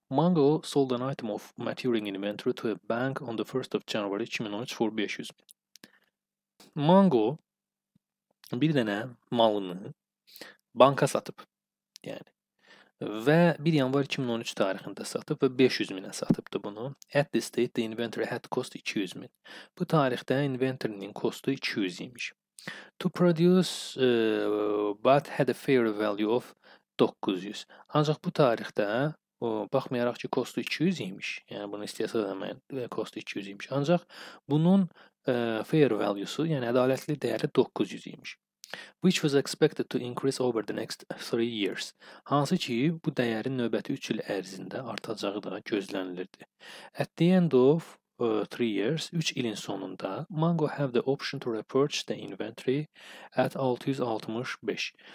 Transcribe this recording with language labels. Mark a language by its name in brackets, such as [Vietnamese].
[English] Mango sold an item of maturing inventory to a bank on the 1st of January 2013 for 500. [Azerbaijani] Mango bir dənə malını banka satıb. Yəni. Və 1 yanvar 2013 tarixində satıb və 500 minə satıbdır bunu. [English] At this date the inventory had cost 200 min. [Azerbaijani] Bu tarixdə inventory-nin kostu 200 imiş. [English] To produce but had a fair value of 900. [Azerbaijani] Ancaq bu tarixdə o baxmayaraq ki kostu 200 imiş. Yəni bunu istehsal etməyin kostu 200 imiş. Ancaq bunun fair value'su, yəni ədalətli dəyəri 900 imiş. [English] Which was expected to increase over the next 3 years. [Azerbaijani] Hansı ki, bu dəyərin növbəti 3 il ərzində artacağı da gözlənilirdi. [English] At the end of 3 years, [Azerbaijani] 3 ilin sonunda, [English] Mango have the option to repurchase the inventory at 665.